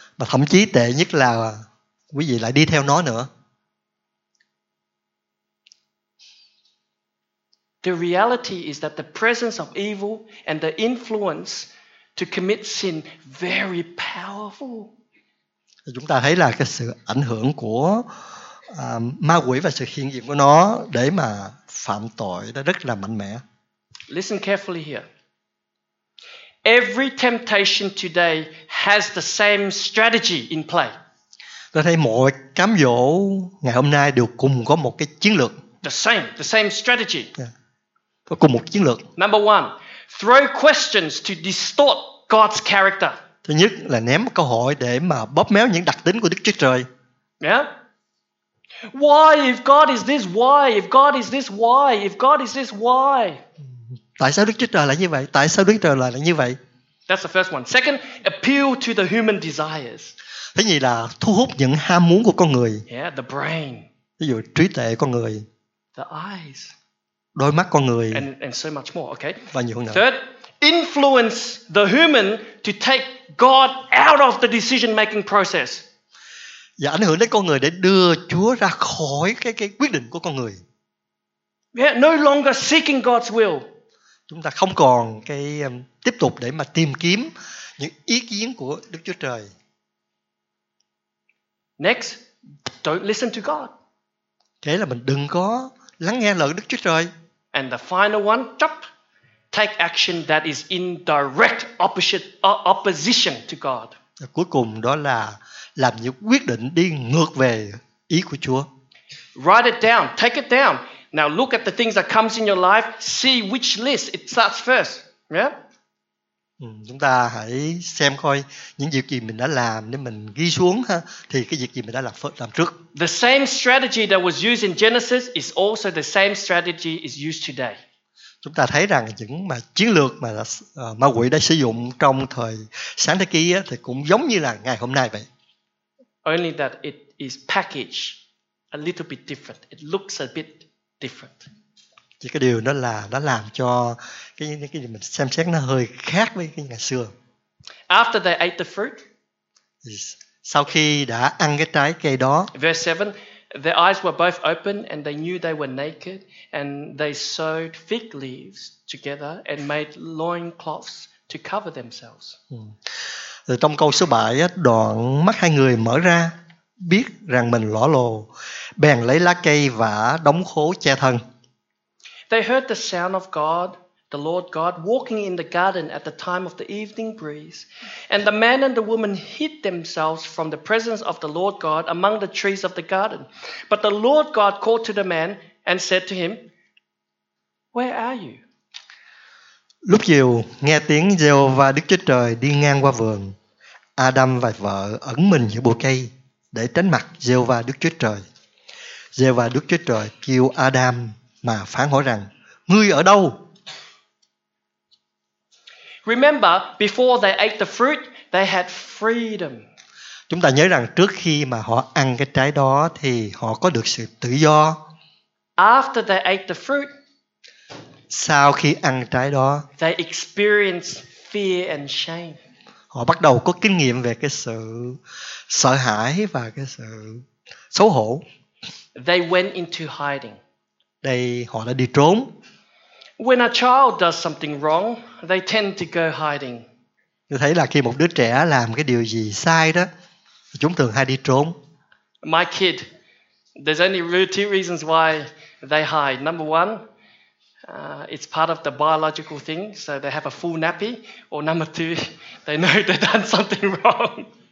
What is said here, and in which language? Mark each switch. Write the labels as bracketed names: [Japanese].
[Vietnamese] Mà thậm chí tệ nhất là quý vị lại đi theo nó nữa. [English] The reality is that the presence of evil and the influence to commit sin very powerful. [Vietnamese] Chúng ta thấy là cái sự ảnh hưởng của ma quỷ và sự hiện diện của nó để mà phạm tội đó rất là mạnh mẽ. [English] Listen carefully here. Every temptation today has the same strategy in play. [Vietnamese] Tôi thấy mọi cám dỗ ngày hôm nay đều cùng có một cái chiến lược. [English] The same strategy. [Vietnamese] Có cùng một chiến lược. [English] Number one, throw questions to distort God's character. [Vietnamese] Thứ nhất là ném câu hỏi để mà bóp méo những đặc tính của Đức Chúa Trời. [English] Yeah. Why if God is this? Why if God is this? Why if God is this? Why? [Vietnamese] Tại sao Đức Chúa Trời lại như vậy? Tại sao Đức Chúa Trời lại như vậy? [English] That's the first one. Second, appeal to the human desires. [Vietnamese] Thứ nhì là thu hút những ham muốn của con người. [English] Yeah, the brain. [Vietnamese] Ví dụ trí tuệ con người. [English] The eyes. [Vietnamese] Đôi mắt con người. [English] And so much more, okay? [Vietnamese] Và nhiều hơn nữa. [English] Third, influence the human to take God out of the decision-making process. [Vietnamese] Và ảnh hưởng đến con người để đưa Chúa ra khỏi cái quyết định của con người. [English] Yeah, no longer seeking God's will. [Vietnamese] Chúng ta không còn cái tiếp tục để mà tìm kiếm những ý kiến của Đức Chúa Trời. [English] Next, don't listen to God. [Vietnamese] Thế là mình đừng có lắng nghe lời Đức Chúa Trời. [English] And the final one, take action that is in direct opposition to God. [Vietnamese] Và cuối cùng đó là làm những quyết định đi ngược về ý của Chúa. [English] Write it down, take it down. Now look at the things that comes in your life, see which list it starts first. Yeah? [Vietnamese] Chúng ta hãy xem coi những việc gì mình đã làm để mình ghi xuống ha, thì cái việc gì mình đã làm trước. [English] The same strategy that was used in Genesis is also the same strategy is used today. [Vietnamese] Chúng ta thấy rằng những mà chiến lược mà ma quỷ đã sử dụng trong thời sáng thế ký á, thì cũng giống như là ngày hôm nay vậy. [English] Only that it is packaged a little bit different. It looks a bit different. [Vietnamese] Chỉ cái điều đó là nó làm cho cái gì mình xem xét nó hơi khác với cái ngày xưa. [English] After they ate the fruit, [Vietnamese] sau khi đã ăn cái trái cây đó, [English] verse 7, their eyes were both open and they knew they were naked and they sewed fig leaves together and made loin cloths to cover themselves. [Vietnamese] Rồi trong câu số 7, đoạn mắt hai người mở ra, biết rằng mình lõ lồ, bèn lấy lá cây vả đóng khố che thân. [English] They heard the sound of God, the Lord God, walking in the garden at the time of the evening breeze. And the man and the woman hid themselves from the presence of the Lord God among the trees of the garden. But the Lord God called to the man and said to him, "Where are you?" [Vietnamese] Lúc chiều, nghe tiếng Giê-hô-va Đức Chúa Trời đi ngang qua vườn, Adam và vợ ẩn mình giữa bụi cây để tránh mặt Giê-hô-va Đức Chúa Trời. Giê-hô-va Đức Chúa Trời kêu Adam mà phán hỏi rằng: "Ngươi ở đâu?" [English] Remember, before they ate the fruit, they had freedom. [Vietnamese] Chúng ta nhớ rằng trước khi mà họ ăn cái trái đó thì họ có được sự tự do. [English] After they ate the fruit, [Vietnamese] sau khi ăn trái đó, [English] they experienced fear and shame. [Vietnamese] Họ bắt đầu có kinh nghiệm về cái sự sợ hãi và cái sự xấu hổ. [English] They went into hiding. [Vietnamese] Đây, họ đã đi trốn. [English] When a child does something wrong, they tend to go hiding. [Vietnamese] Tôi thấy là khi một đứa trẻ làm cái điều gì sai đó, chúng thường hay đi trốn. [English] My kid, there's only two reasons why they hide. Number one, it's part of the biological thing, so they have a full nappy. Or number two, they know they've done something wrong.